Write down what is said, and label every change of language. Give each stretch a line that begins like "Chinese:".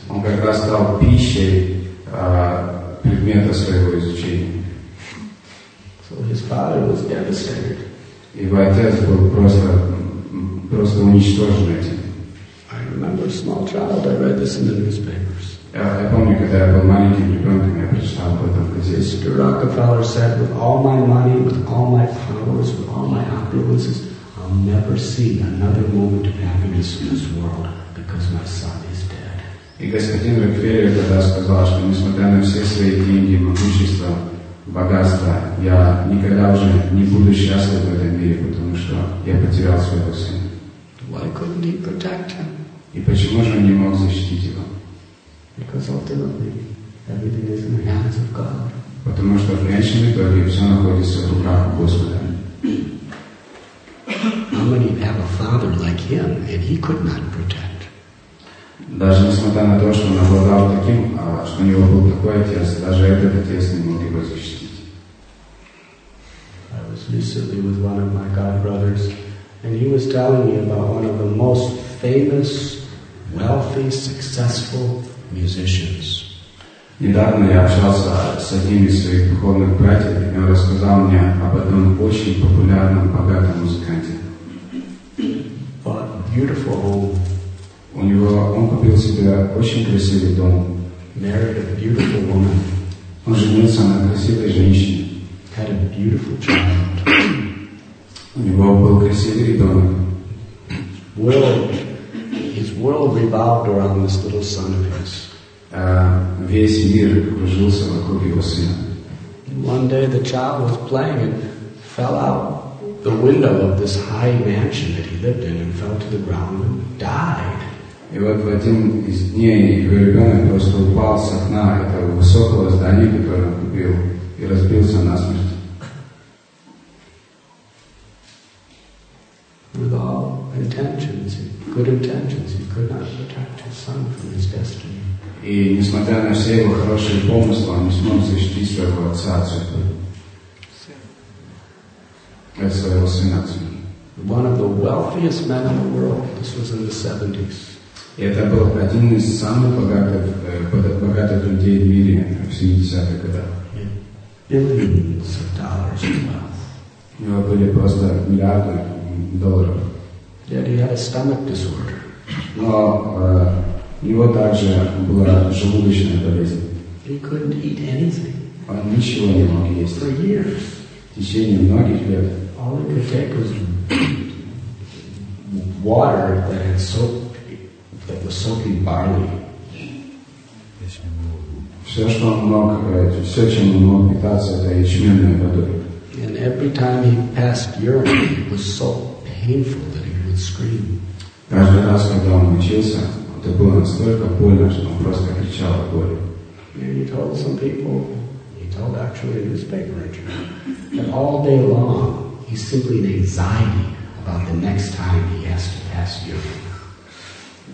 Russian: Он как раз стал пищей предмета своего изучения.
English: So he His father was devastated.
Russian: Его отец был просто уничтожен этим.
English: I remember a small child. I read this in the newspapers.
Russian: Я помню, когда я был маленьким ребенком, я прочитал об этом в газете.
English: Mr. Rockefeller said, "With all my money, with all my powers, with all my opulences, I'll never see another moment of happiness in this world because my son is dead."
Russian: И господин Рокфеллер тогда сказал, что несмотря на все свои деньги, могущество, богатство, я никогда уже не буду счастлив в этом мире, потому что я потерял своего сына.
English: Why couldn't he protect him?
Russian: И почему же он не мог защитить его?
English: Because ultimately, everything is in the hands of God.
Russian: Потому что в конечном итоге все находится в руках Господа.
English: How many have a father like him, and he could not protect?
Russian: Даже несмотря на то, что он обладал таким, что у него был такой отец, даже этот отец не мог его защитить.
English: I was recently with one of my God brothers, and he was telling me about one of the most famous, wealthy, successful musicians.
Russian: Недавно я общался с одним из своих духовных братьев, и он рассказал мне об одном очень популярном, богатом музыканте.
English: But beautiful home.
Russian: Он купил себе очень красивый дом.
English: Married a beautiful woman.
Russian: Он женился на красивой женщине.
English: Had a beautiful child.
Russian: У него был красивый ребенок.
English: His world revolved around this little son of his.
Russian: Весь мир кружился вокруг его сына.
English: And one day the child was playing and fell out the window of this high mansion that he lived in and fell to the ground and died.
Russian: И вот в один из дней его ребенок просто упал с окна этого высокого здания, которое он купил, и разбился насмерть.
English: With all intentions, good intentions, he could not protect his son from his destiny.
Russian: И несмотря на все его хорошие помыслы, он не смог защитить своего отца от судьбы. От своего сына от судьбы.
English: One of the wealthiest men in the world. This was in the 70s.
Russian: И это был один из самых богатых людей в мире в 70-х годах.
English: Billions of dollars in wealth.
Russian: У него были просто миллиарды долларов.
English: Yet he had a stomach disorder.
Russian: Но у него также была желудочная болезнь.
English: He couldn't eat anything.
Russian: Он ничего не мог есть.
English: For years.
Russian: В течение многих лет.
English: All he could take was water that was soaking barley.
Russian: Все, что он мог, все, чем он мог питаться, это ячменной водой.
English: And every time he passed urine, it was so painful that he would scream.
Russian: Каждый раз, когда он учился, это было настолько больно, что он просто кричал от боли.
English: And he told some people, he told actually a newspaper interview, that all day long he's simply in anxiety about the next time he has to pass urine.